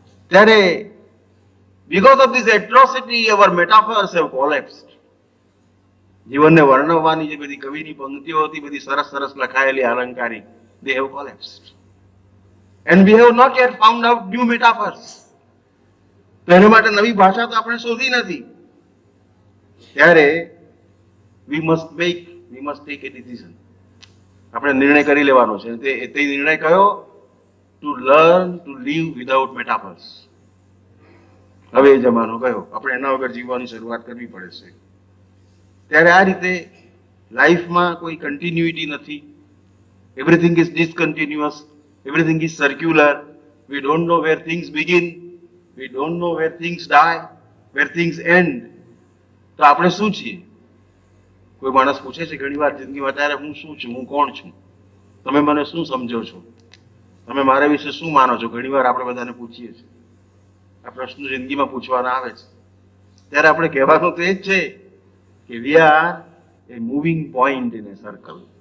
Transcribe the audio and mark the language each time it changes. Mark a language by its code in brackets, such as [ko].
[en] ત્યારે because of this atrocity our metaphors have collapsed. [gu] જીવનને વર્ણવવાની જે બધી કવિની પંક્તિઓ હતી, બધી સરસ સરસ લખાયેલી અલંકારી, [en] they have collapsed and we have not yet found out new metaphors. [gu] તેને માટે નવી ભાષા તો આપણે શોધી નથી. [en] ત્યારે we must take a decision. [gu] આપણે નિર્ણય કરી લેવાનો છે. તે નિર્ણય કયો? [en] To learn to live without metaphors. [gu] હવે એ જમાનો કયો? આપણે એના વગર જીવવાની શરૂઆત કરવી પડશે. ત્યારે આ રીતે લાઈફમાં કોઈ કન્ટિન્યુઇટી નથી. [en] Everything is discontinuous, everything is circular. We don't know where things begin, we don't know where things die, where things end. [gu] તો આપણે શું છીએ? કોઈ માણસ પૂછે છે ઘણી વાર જિંદગી વધારે હું શું છું, હું કોણ છું, તમે મને શું સમજો છો, તમે મારા વિશે શું માનો છો? ઘણી વાર આપણે બધાને પૂછીએ છીએ આ પ્રશ્ન, જિંદગીમાં પૂછવાના આવે છે. ત્યારે આપણે કહેવાનું તો એ જ છે કે [en] We are a moving point in a circle.